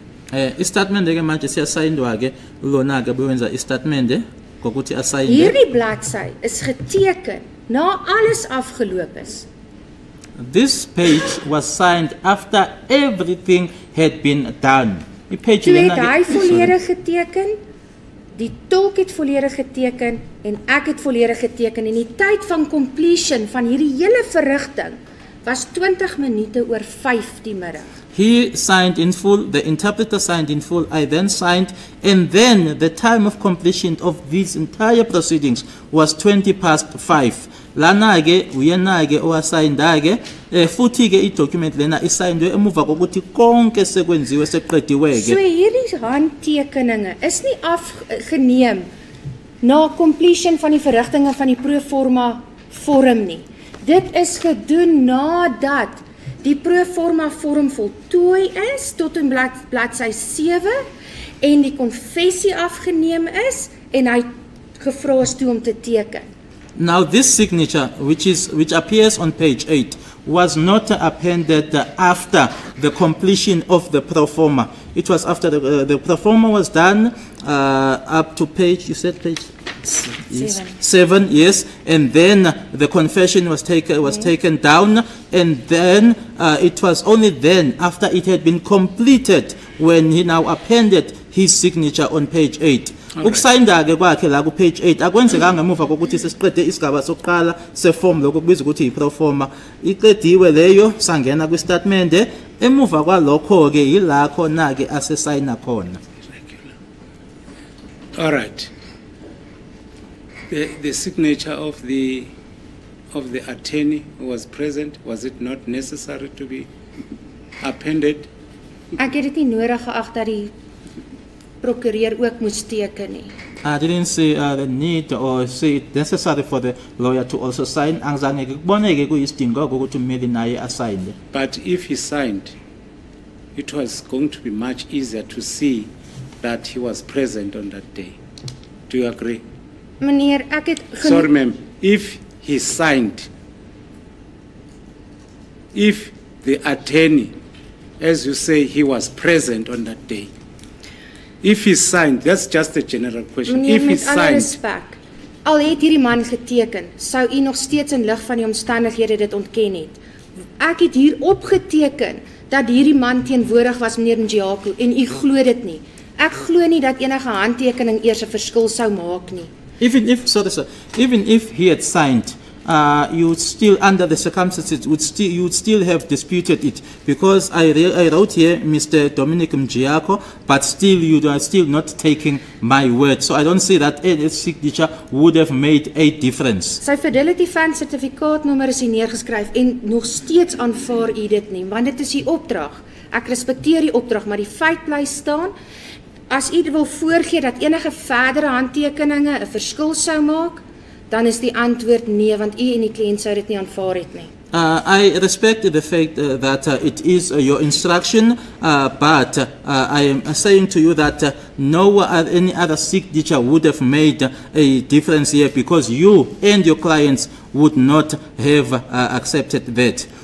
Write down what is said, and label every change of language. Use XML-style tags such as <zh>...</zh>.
<af>Hierdie bladsy is geteken na alles afgeloop is.</af> <en>This page was signed after everything had been done.</en> <af>Die page het volledig geteken. Die tolk het volledig geteken en ek het volledig geteken en die tyd van completion van hierdie hele verrigting was 20 minute oor 5 die middag.</af> <en>He signed in full, the interpreter signed in full, I then signed, and then the time of completion of these entire proceedings was 20 past 5.</en> <zu>Lanage, uyenage, owa signedage, futige I document lena is signed, emuva kokuthi konke sekwenziwe sekuqediweke.</zu> <af>So hierdie handtekeninge is nie afgeneem na completion van die verrigtinge van die pro forma vorm nie. Dit is gedoen nadat die pro forma vorm voltooi is tot in bladsy 7 en die konfessie afgeneem is en hy gevra is toe om te teken.</af> <en>Now this signature which appears on page 8 was not appended after the completion of the pro forma. It was after the pro forma was done up to page, you said page 7, yes, and then the confession was taken down, and then it was only then, after it had been completed, when he now appended his signature on page 8.</en> <zu>Ukusayinda ke kwakhe la ku page 8 akwenzekanga emuva kokuthi sesiqede isigaba sokuqala seform lokho kubiza ukuthi i pro forma iqediwe leyo sangena ku statement emuva kwalokho ke yilakho na ke ase signa khona.</zu> <en>All right, the signature of the attorney who was present, was it not necessary to be appended?</en> <af>Ek het dit nie nodig geag dat die prokureur ook moet teken nie.</af> <en>I didn't see the need or see it necessary for the lawyer to also sign.</en> <zu>Angizange kuboneke kuyisidingo ukuthi umeli naye assign.</zu> <en>But if he signed, it was going to be much easier to see that he was present on that day. Do you agree?</en> <af>Meneer, ek het</af> <en>Sorry ma'am, if he signed, if the attorney, as you say, he was present on that day, if he signed, that's just a general question.</en> <af>Meneer,</af> <en>if he signed,</en> <af>respect, Al het hierdie man geteken, sou u nog steeds in lig van die omstandighede dit ontken het. Ek het hier opgeteken dat hierdie man teenwoordig was, meneer Njaku, en u glo dit nie. Ek glo nie dat enige handtekening eers 'n verskil sou maak nie.</af> <en>Even if he had signed, you would still, under the circumstances, you would still have disputed it, because I wrote here Mr. Dominic Mngiako, but still you are still not taking my word. So I don't see that a signature would have made a difference.</en> <af>Sy Fidelity Fund sertifikaat nommer is hier neergeskryf en nog steeds aanvaar u dit nie, want dit is die opdrag. Ek respekteer die opdrag, maar die feit bly staan. As u wil voorgee dat enige verdere handtekeninge 'n verskil sou maak, dan is die antwoord nee, want u en die kliënt sou dit nie aanvaar het nie.</af> <en>I respect the fact that it is your instruction, but I am saying to you that no any other signature would have made a difference here, because you and your clients would not have accepted that.</en>